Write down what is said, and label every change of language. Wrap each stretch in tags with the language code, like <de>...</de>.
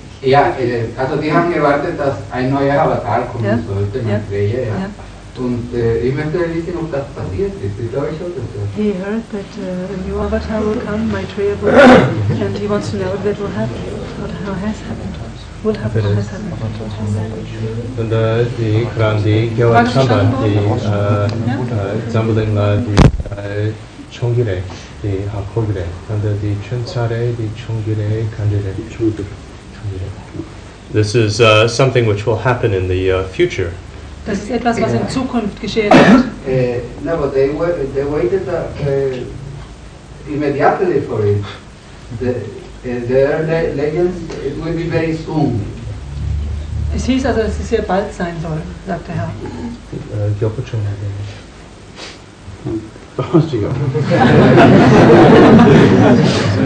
<de>Yeah, also die haben gewartet, dass ein neuer Avatar kommen sollte, Maitreya. Yeah. Yeah. Und ich möchte wissen, ob das passiert ist. Ist euch auch das?</de> <en>He heard that a new avatar will come, Maitreya will come, and he wants to know if that will happen, or how has happened. Und die Kram, die Gewalt Chamba, die Zambulinga, die Chongire, die Hakogire, und die Chunzare, die Chongire, Kandire, Chongire. This is something which will happen in the future.</en> <de>Das ist etwas, was in Zukunft geschehen wird.</de> <en>No, but they waited immediately for it.</en> <de>Es hieß also, dass es sehr bald sein soll, sagt der Herr.</de>